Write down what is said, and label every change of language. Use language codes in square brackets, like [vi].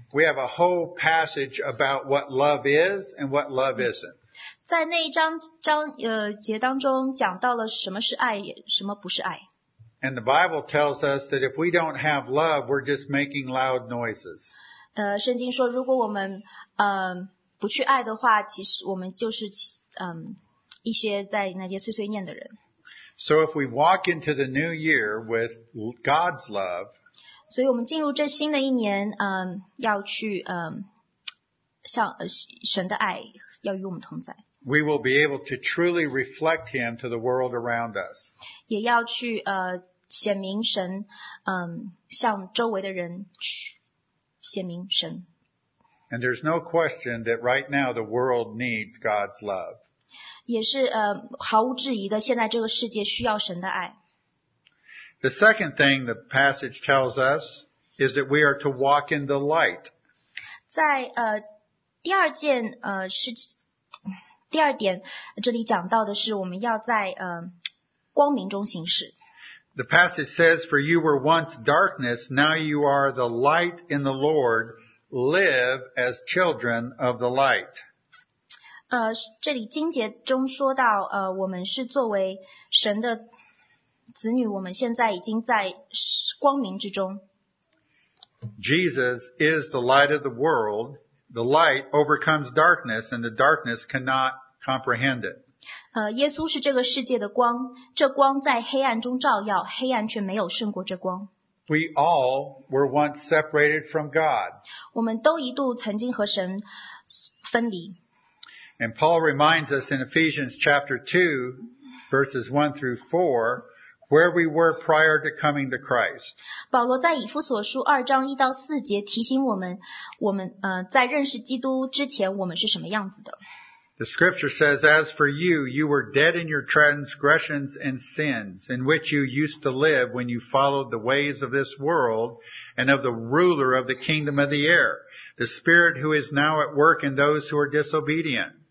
[en] we have a whole passage about what love is and what love isn't. [zh] 在那一章章, 节当中讲到了什么是爱, 什么不是爱。 [en] And the Bible tells us that if we don't have love, we're just making loud noises. [zh] 圣经说, 如果我们, 不去爱的话, 其实我们就是, 一些在那些碎碎念的人。 [en] So if we walk into the new year with God's love, [zh] 所以我们进入这新的一年, 要去, 像神的爱, 要与我们同在。 [en] We will be able to truly reflect Him to the world around us. [zh] 也要去, 显明神, 向周围的人, 显明神。 [en] And there's no question that right now the world needs God's love. [zh] 也是, 毫无质疑的, 现在这个世界需要神的爱。 [en] The second thing the passage tells us is that we are to walk in the light. [zh] 在, 第二件, 是, 第二点, 这里讲到的是, 我们要在, 光明中行事。 [en] The passage says, For you were once darkness, now you are the light in the Lord. Live as children of the light. [zh] 这里经节中说到, 我们是作为神的子女, 我们现在已经在光明之中。 [en] Jesus is the light of the world. The light overcomes darkness, and the darkness cannot comprehend it. [zh] 耶稣是这个世界的光, 这光在黑暗中照耀, 黑暗却没有胜过这光。 [en] We all were once separated from God. [zh] 我们都一度曾经和神分离。 [en] And Paul reminds us in Ephesians chapter 2, verses 1 through 4, where we were prior to coming to Christ. [zh] 保罗在以弗所书2章1到4节提醒我们, 我们, 在认识基督之前, 我们是什么样子的。 [en] The scripture says, As for you, you were dead in your transgressions and sins, in which you used to live when you followed the ways of this world and of the ruler of the kingdom of the air, the spirit who is now at work in those who are disobedient.